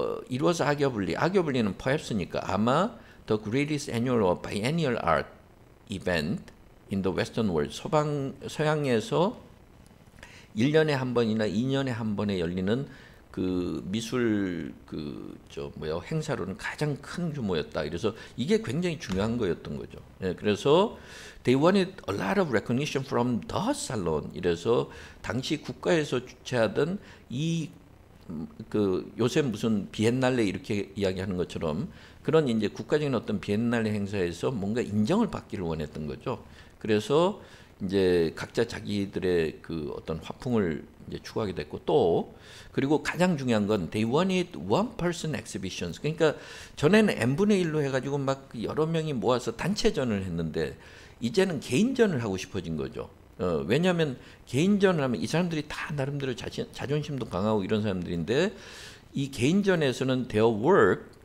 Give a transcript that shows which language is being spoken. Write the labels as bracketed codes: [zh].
[en] it was arguably, arguably는 perhaps니까 [ko] 아마 [en] the greatest annual or biennial art event in the western world [ko] 서양에서 1년에 한 번이나 2년에 한 번에 열리는 그 미술 그 저 뭐야 행사로는 가장 큰 규모였다. 그래서 이게 굉장히 중요한 거였던 거죠. 예, 그래서 [en] they wanted a lot of recognition from the salon. [ko] 이래서 당시 국가에서 주최하던 이 그 요새 무슨 비엔날레 이렇게 이야기하는 것처럼 그런 이제 국가적인 어떤 비엔날레 행사에서 뭔가 인정을 받기를 원했던 거죠. 그래서 이제 각자 자기들의 그 어떤 화풍을 이제 추구하게 됐고 또 그리고 가장 중요한 건 [en] they wanted one person exhibitions [ko] 그러니까 전에는 n분의 1로 해가지고 막 여러 명이 모아서 단체전을 했는데 이제는 개인전을 하고 싶어진 거죠 왜냐하면 개인전을 하면 이 사람들이 다 나름대로 자존심도 강하고 이런 사람들인데 이 개인전에서는 [en] their work